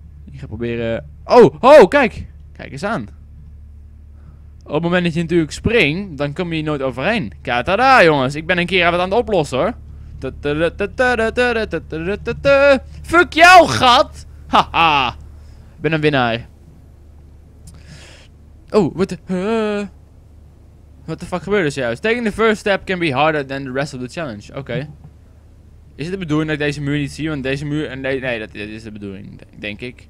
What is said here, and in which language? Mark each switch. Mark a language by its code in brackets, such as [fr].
[nl] Ik ga proberen... Kijk! Kijk eens aan. Op het moment dat je natuurlijk springt, dan kom je hier nooit overheen. Katada, jongens. Ik ben een keer wat aan het oplossen, hoor. Fuck jou, gat! Haha! Ik ben een winnaar. [en] Oh, what the... What the fuck [nl] gebeurde zojuist? [en] Taking the first step can be harder than the rest of the challenge. [nl] Oké. Is het de bedoeling dat ik deze muur niet zie? Want deze muur... Nee, dat is de bedoeling, denk ik.